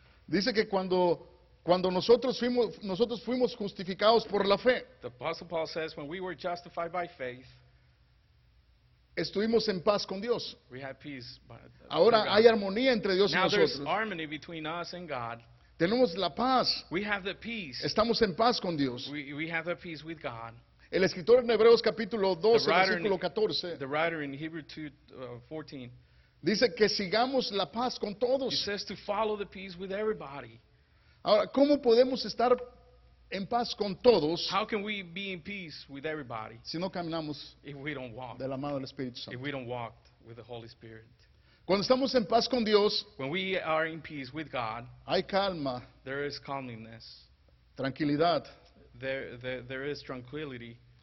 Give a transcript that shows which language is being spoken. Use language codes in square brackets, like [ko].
[es] dice que cuando nosotros fuimos justificados por la fe. [en] The apostle Paul says when we were justified by faith, [es] estuvimos en paz con Dios. [en] We had peace by God. [es] Ahora hay armonía entre Dios [en] now [es] y nosotros. [en] Now there's harmony between us and God. [es] Tenemos la paz. [en] We have the peace. [es] Estamos en paz con Dios. [en] We have the peace with God. [es] El escritor en Hebreos capítulo 12, versículo 14. [en] The writer in Hebrews 2, 14. [es] Dice que sigamos la paz con todos. [en] He says to follow the peace with everybody. [es] Ahora, ¿cómo podemos estar en paz con todos? [en] How can we be in peace with everybody? [es] Si no caminamos. [en] If we don't walk. [es] De la mano del Espíritu Santo. [en] If we don't walk with the Holy Spirit. [es] Cuando estamos en paz con Dios, [en] when we are in peace with God, [es] hay calma, [en] there is calmness, [es] tranquilidad, [en] there is tranquility